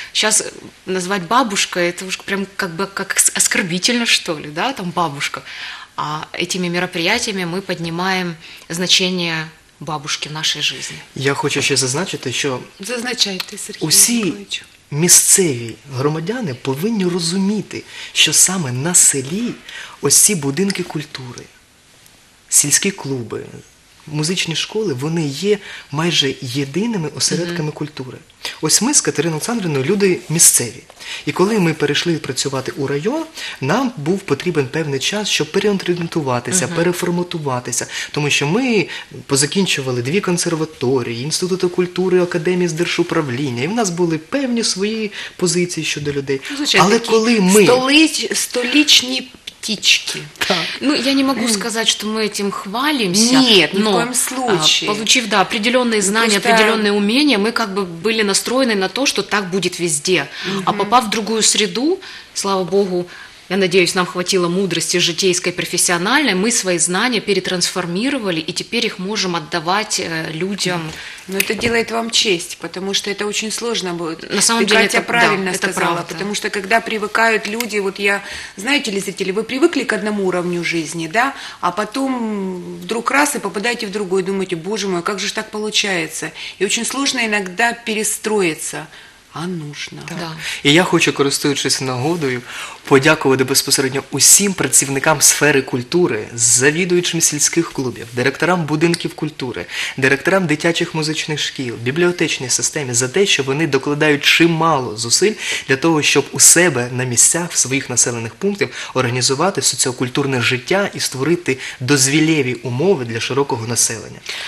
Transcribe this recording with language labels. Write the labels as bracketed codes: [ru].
[ru] Сейчас назвать бабушкой, это уж прям как бы как оскорбительно, что ли, да, там бабушка. А этими мероприятиями мы поднимаем значение бабушки [uk] в нашій житті. Я хочу ще зазначити, що зазначайте, Сергій, усі місцеві громадяни повинні розуміти, що саме на селі ось ці будинки культури, сільські клуби, музичні школи, вони є майже єдиними осередками культури. Ось ми з Катериною Олександрівною люди місцеві. І коли ми перейшли працювати у район, нам був потрібен певний час, щоб переорієнтуватися, переформатуватися. Тому що ми позакінчували дві консерваторії, Інституту культури, Академії з держуправління. І в нас були певні свої позиції щодо людей. Звичайно, але коли ми... Столічні птички. Так. [ru] Ну, я не могу сказать, что мы этим хвалимся. Нет, но, ни в коем случае. Получив, да, определенные знания, определенные умения, мы как бы были настроены на то, что так будет везде. А попав в другую среду, слава Богу, я надеюсь, нам хватило мудрости житейской, профессиональной, мы свои знания перетрансформировали, и теперь их можем отдавать людям. Но это делает вам честь, потому что это очень сложно будет. На самом деле, Катя правильно сказала, потому что когда привыкают люди, вот я, знаете, телезрители, вы привыкли к одному уровню жизни, да, а потом вдруг раз и попадаете в другой, думаете, боже мой, как же так получается. И очень сложно иногда перестроиться. а нужна. Так. Так. [uk] І я хочу, користуючись нагодою, подякувати безпосередньо усім працівникам сфери культури, завідуючим сільських клубів, директорам будинків культури, директорам дитячих музичних шкіл, бібліотечній системі за те, що вони докладають чимало зусиль для того, щоб у себе на місцях, в своїх населених пунктів організувати соціокультурне життя і створити дозвілєві умови для широкого населення.